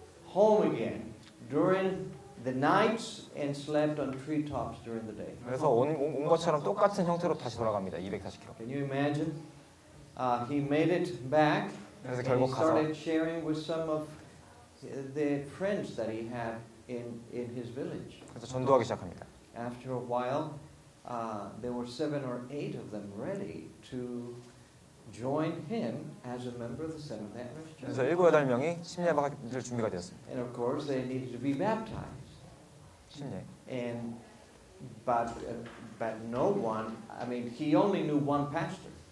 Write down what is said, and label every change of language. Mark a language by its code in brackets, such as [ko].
[en] Home again during the nights and slept on treetops during the day. [ko] 그래서 온 것처럼 똑같은 형태로 다시 돌아갑니다. [en] 240km. Can you imagine? He made it back. [ko] 그래서 결국 가서. [en] He started sharing with some of the friends that he had in his village. [ko] 그래서 전도하기 시작합니다. [en] After a while, there were 7 or 8 of them ready to join him as a member of the Seventh Adventist Church. [ko] 그래서 일곱 여덟 명이 침례받을 준비가 되었습니다. [en] And of course, they needed to be baptized. [ko] 침례. [en] And but no one. I mean, he only knew one pastor.